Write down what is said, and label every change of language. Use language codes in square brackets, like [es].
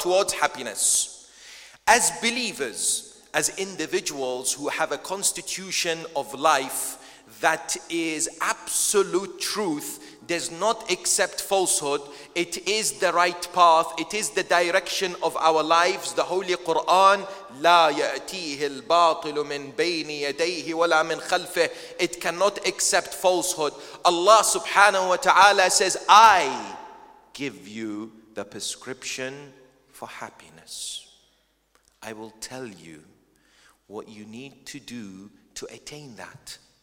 [en] Towards happiness. As believers, as individuals who have a constitution of life that is absolute truth, does not accept falsehood, it is the right path, it is the direction of our lives. The Holy Quran, [ar] لا يأتيه الباطل من بين يديه ولا من خلفه. [en] It cannot accept falsehood. Allah subhanahu wa ta'ala says, I give you the prescription for happiness. I will tell you what you need to do to attain that.